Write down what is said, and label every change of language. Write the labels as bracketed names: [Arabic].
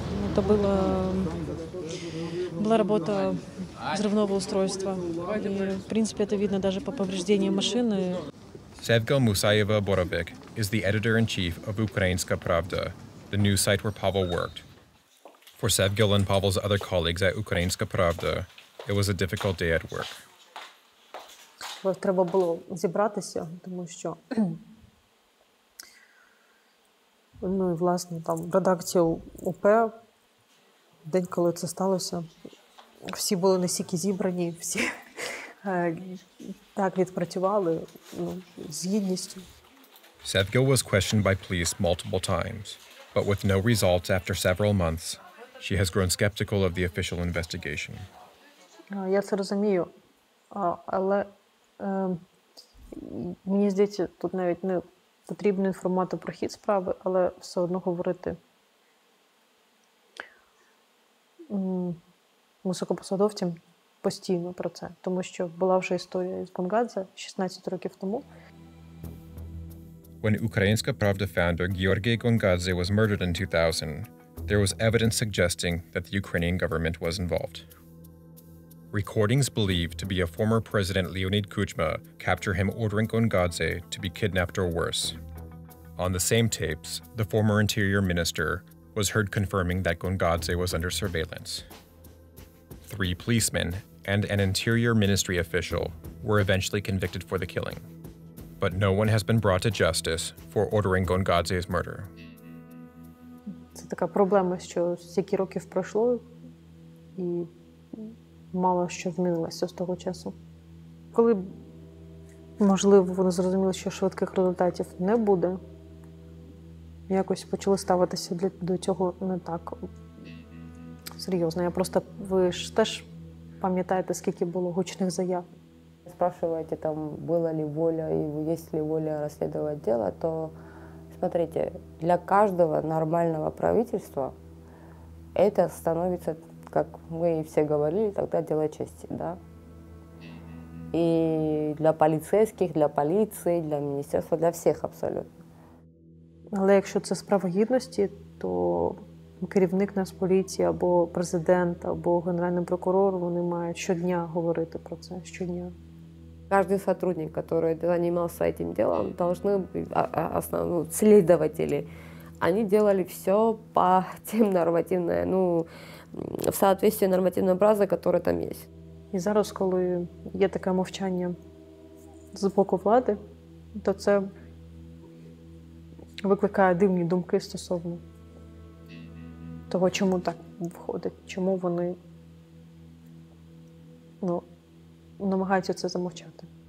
[Russian] Это было, была работа взрывного устройства. И, в принципе, это видно даже по повреждениям машины. [English] Sevga Musayeva-Borovik is the editor-in-chief of Ukrainska Pravda, the news site where Pavel worked. For Sevga and Pavel's other colleagues at Ukrainska Pravda, it was a difficult day at work. [Ukrainian] Треба було зібратися, тому що... Ну, і, власне, там, редакція УП... День, коли це сталося, всі були настільки зібрані, всі так відпрацювали, ну, з гідністю. [English] Sevgil was questioned by police multiple times, but with no results after several months, she has grown skeptical of the official investigation. [Ukrainian] Я це розумію, але мені здається, тут навіть не потрібно інформувати про хід справи, але все одно говорити. Високопосадовцям постійно про це, тому що була вже історія з Бонгадзе 16 років тому. [English] When Ukrainska Pravda founder Georgi Gongadze was murdered in 2000, there was evidence suggesting that the Ukrainian government was involved. Recordings believed to be a former president Leonid Kuchma capture him ordering Gongadze to be kidnapped or worse. On the same tapes, the former interior minister was heard confirming that Gongadze was under surveillance. Three policemen and an interior ministry official were eventually convicted for the killing. But no one has been brought to justice for ordering Gongadze's murder. [Ukrainian] Це така проблема, що стільки років пройшло, і мало що змінилося з того часу. Коли, можливо, вони зрозуміли, що швидких результатів не буде, якось почали ставитися до цього не так серйозно. Я просто, ви ж теж пам'ятаєте, скільки було гучних заяв. Спрашиваєте, там, була ли воля, і є ли воля розслідувати діло, то [Russian] смотрите, для каждого нормального правительства это становится, как мы и все говорили, тогда дело чести, да? И для полицейских, для полиции, для министерства, для всех абсолютно. [Ukrainian] Але якщо це справа гідності, то керівник Нацполіції або президент, або генеральний прокурор, вони мають щодня говорити про це, щодня. [Russian] Каждый сотрудник, который занимался этим делом, должны следователи, они делали все по тем нормативным, ну, в соответствии с нормативной базой, которая там есть. [Ukrainian] И зараз, коли є таке мовчання з боку влади, то це викликає дивні думки стосовно того, чому так виходить, чому вони, ну, намагаються це замовчати.